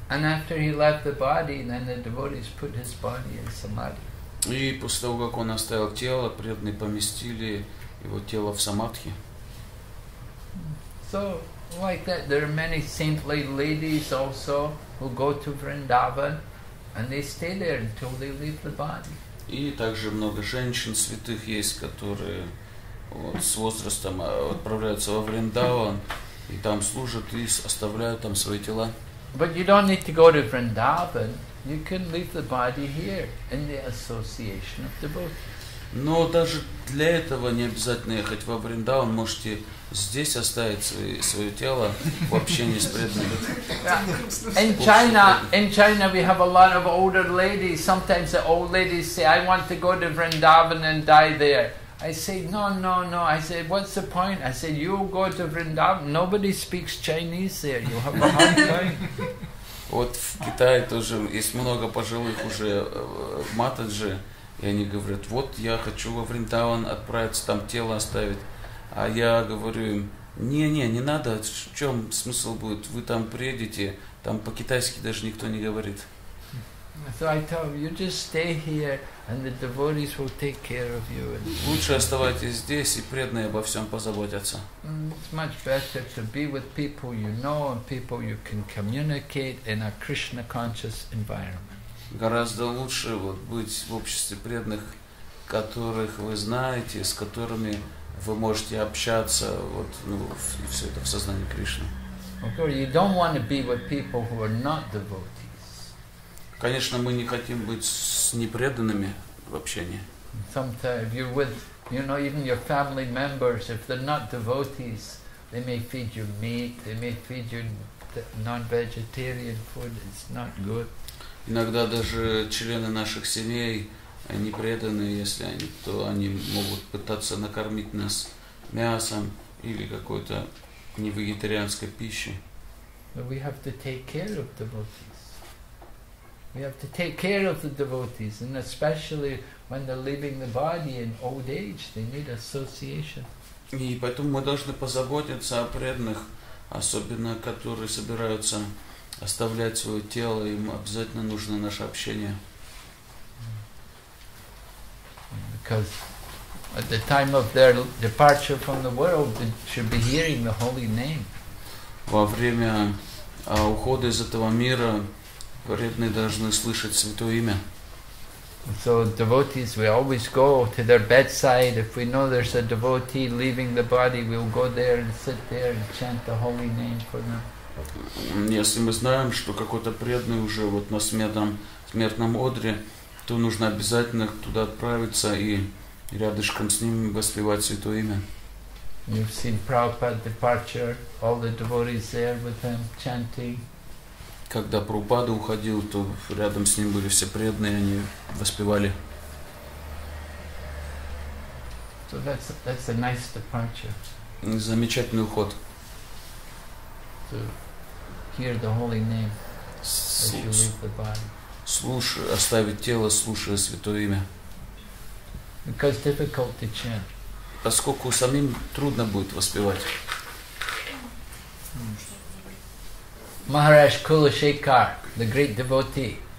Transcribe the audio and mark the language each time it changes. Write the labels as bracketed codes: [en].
[en] And after he left the body, then the devotees put his body in samadhi. [ru] И после того, как он оставил тело, преданные поместили его тело в самадхи. [en] So, like that, there are many saintly ladies also who go to Vrindavan, and they stay there until they leave the body. [ru] И также много женщин святых есть, которые вот, с возрастом отправляются во Вриндаван и там служат и оставляют там свои тела. [en] But you don't need to go to Vrindavan. You can leave the body here in the association of devotees. [ru] Но даже для этого не обязательно ехать во Вриндаван. Можете здесь оставить свое тело в общении с преданными. [en] In China we have a lot of older ladies. Sometimes the old ladies say, I want to go to Vrindavan and die there. I say, no. I say, what's the point? I say, you go to Vrindavan. Nobody speaks Chinese there. You have a hard time. [ru] Вот в Китае тоже есть много пожилых уже матаджи. И они говорят, вот я хочу во Вриндаван отправиться, там тело оставить. А я говорю им, не надо, в чем смысл будет, вы там приедете, там по-китайски даже никто не говорит. [en] So I tell them, you just stay here and the devotees will take care of you. [ru] Лучше оставайтесь здесь и преданные обо всем позаботятся. [en] It's much better to be with people you know and people you can communicate in a Krishna conscious environment. [ru] Гораздо лучше вот, быть в обществе преданных, которых вы знаете, с которыми вы можете общаться, вот, ну, все это в сознании Кришны. [en] Okay, you don't want to be with people who are not devotees. [ru] Конечно, мы не хотим быть с непреданными в общении. [en] Sometimes you're with, you know, even your family members, if they're not devotees, they may feed you meat, they may feed you non-vegetarian food, it's not good. [ru] Иногда даже члены наших семей, они преданные, если они, то они могут пытаться накормить нас мясом или какой-то невегетарианской пищей. [en] We have to take care of devotees. We have to take care of the devotees, and especially when they're leaving the body in old age, they need association. [ru] И поэтому мы должны позаботиться о преданных, особенно которые собираются оставлять свое тело, им обязательно нужно наше общение. [en] Because at the time of their departure from the world, they should be hearing the holy name. [ru] Во время ухода из этого мира преданные должны слышать святое имя. [en] So devotees, we always go to their bedside. If we know there's a devotee leaving the body, we'll go there and sit there and chant the holy name for them. [ru] Если мы знаем, что какой-то преданный уже вот на смертном одре, то нужно обязательно туда отправиться и рядышком с ним воспевать святое имя. [en] You've seen Prabhupada's departure, all the devotees there with him chanting. [ru] Когда Прабхупада уходил, то рядом с ним были все преданные, они воспевали. [en] So that's a nice departure. [ru] Замечательный уход. [en] To hear the holy name as you leave the body. [ru] Слушай, оставить тело, слушая святое имя. [en] Because it's difficult to chant. [ru] Поскольку самим трудно будет воспевать. [en] Maharaj Kulashekar, the great devotee.